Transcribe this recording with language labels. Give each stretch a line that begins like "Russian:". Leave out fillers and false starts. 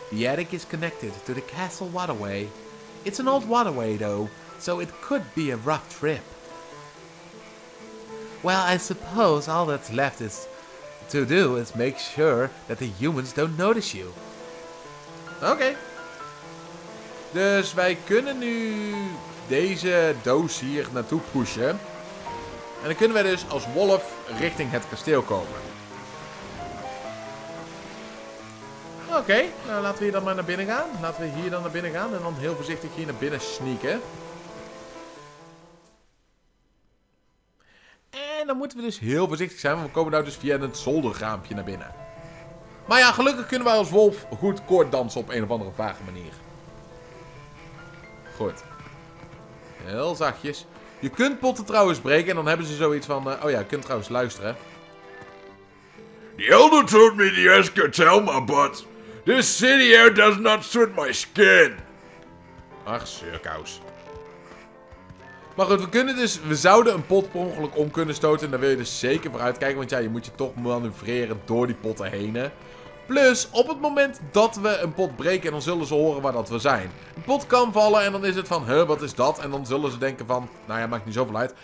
English: The attic is connected to the castle waterway. It's an old waterway though, so it could be a rough trip. Well, I suppose all that's left is to do is make sure that the humans don't notice you. Okay.
Dutch: Dus wij kunnen nu deze doos hier naartoe pushen. En dan kunnen wij dus als wolf richting het kasteel komen. Oké, nou laten we hier dan maar naar binnen gaan. Laten we hier dan naar binnen gaan en dan heel voorzichtig hier naar binnen sneaken. En dan moeten we dus heel voorzichtig zijn, want we komen nou dus via het zolderraampje naar binnen. Maar ja, gelukkig kunnen wij als wolf goed koord dansen op een of andere vage manier. Goed. Heel zachtjes. Je kunt potten trouwens breken en dan hebben ze zoiets van... Oh ja, je kunt trouwens luisteren.
English: The elder told me the escatelma, but this city air does not suit my skin.
Dutch: Ach, zeurkous. Maar goed, we zouden een pot per ongeluk om kunnen stoten. En daar wil je dus zeker voor uitkijken, want ja, je moet je toch manoeuvreren door die potten heen. Hè? Plus, op het moment dat we een pot breken, dan zullen ze horen waar dat we zijn. Een pot kan vallen en dan is het van, wat is dat? En dan zullen ze denken van, nou ja, maakt niet zoveel uit.